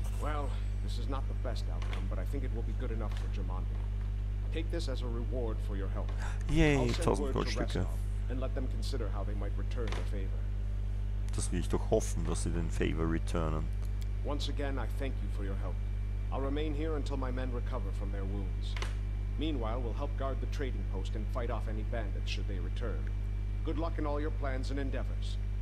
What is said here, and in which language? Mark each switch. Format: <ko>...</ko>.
<en>Well, this is not the best outcome, but I think it will be good enough for Jermondo. Take this as a reward for your help.</en> <de>Yay, 1000 Goldstücke.</de> <en>And let them consider how they might return the favor.</en> <de>Das will ich doch hoffen, dass sie den Favor returnen.</de> <en>Once again, I thank you for your help. I'll remain here until my men recover from their wounds. Meanwhile, we'll help guard the trading post and fight off any bandits should they return. Good luck in all your plans and endeavors.</en>